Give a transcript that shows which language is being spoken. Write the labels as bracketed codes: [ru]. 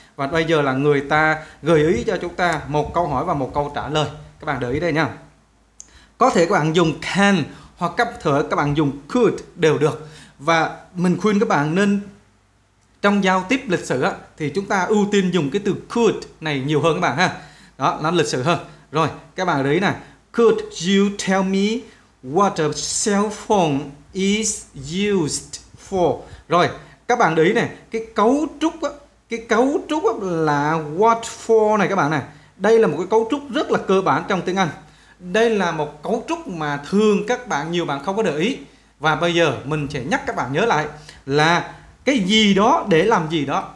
[vi] Và bây giờ là người ta gợi ý cho chúng ta một câu hỏi và một câu trả lời. Các bạn để ý đây nha. Có thể các bạn dùng can hoặc có thể các bạn dùng could đều được. Và mình khuyên các bạn nên trong giao tiếp lịch sự thì chúng ta ưu tiên dùng cái từ could này nhiều hơn các bạn ha. Đó, nó lịch sự hơn. Rồi, các bạn để ý nè. [en] Could you tell me what a cell phone is used for. [vi] Rồi, các bạn để ý này, cái cấu trúc là what for này các bạn này. Đây là một cái cấu trúc rất là cơ bản trong tiếng Anh. Đây là một cấu trúc mà thường các bạn, nhiều bạn không có để ý. Và bây giờ mình sẽ nhắc các bạn nhớ lại là cái gì đó để làm gì đó.